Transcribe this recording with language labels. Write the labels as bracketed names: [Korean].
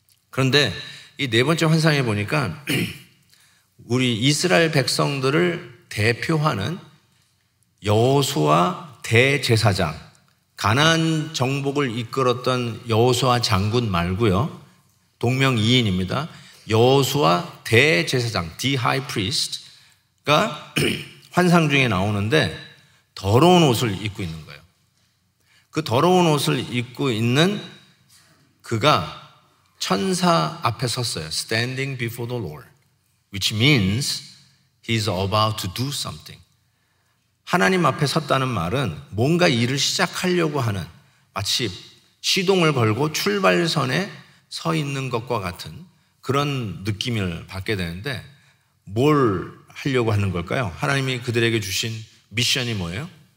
[Korean] 그런데 이 네 번째 환상에 보니까 우리 이스라엘 백성들을 대표하는 여호수아 대제사장, 가나안 정복을 이끌었던 여호수아 장군 말고요, 동명이인입니다. 여호수아 대제사장, The High Priest가 환상 중에 나오는데 더러운 옷을 입고 있는 거예요. 그 더러운 옷을 입고 있는 그가 천사 앞에 섰어요. [English] Standing before the Lord, which means he's about to do something. [Korean] 하나님 앞에 섰다는 말은 뭔가 일을 시작하려고 하는, 마치 시동을 걸고 출발선에 서 있는 것과 같은 그런 느낌을 받게 되는데, 뭘 하려고 하는 걸까요? 하나님이 그들에게 주신 미션이 뭐예요?